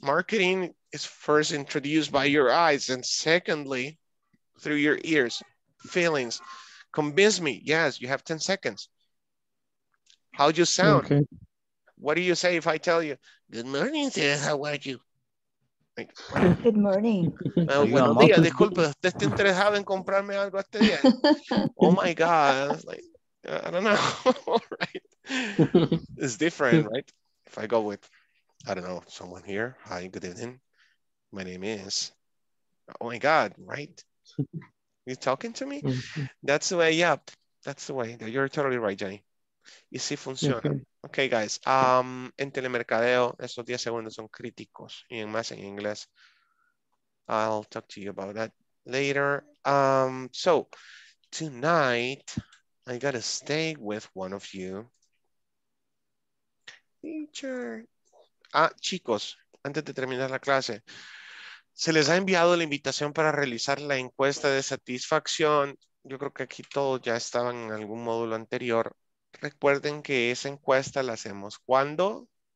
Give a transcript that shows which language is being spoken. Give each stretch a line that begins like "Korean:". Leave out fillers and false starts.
English: Marketing is first introduced by your eyes and secondly, through your ears, feelings. Convince me. Yes, you have 10 seconds. How'd you sound? Okay. What do you say if I tell you, good morning, sir, how are you? Good morning.
Spanish: Buenos días, disculpe. ¿Te está interesado en comprarme algo este día?
English: Oh my God. Like, I don't know. Right? It's different, right? If I go with, I don't know, someone here. Hi, good evening. My name is. Oh my God, right? You talking to me? That's the way, yeah. That's the way. You're totally right, Johnny.
Spanish: Y si funciona.
English: Okay, guys.
Spanish: En telemercadeo, esos 10 segundos son críticos. Y en más en inglés.
English: I'll talk to you about that later. So, tonight, I got to stay with one of you. Teacher.
Spanish: Ah, chicos, antes de terminar la clase, se les ha enviado la invitación para realizar la encuesta de satisfacción. Yo creo que aquí todos ya estaban en algún módulo anterior. Recuerden que esa encuesta la hacemos cuando?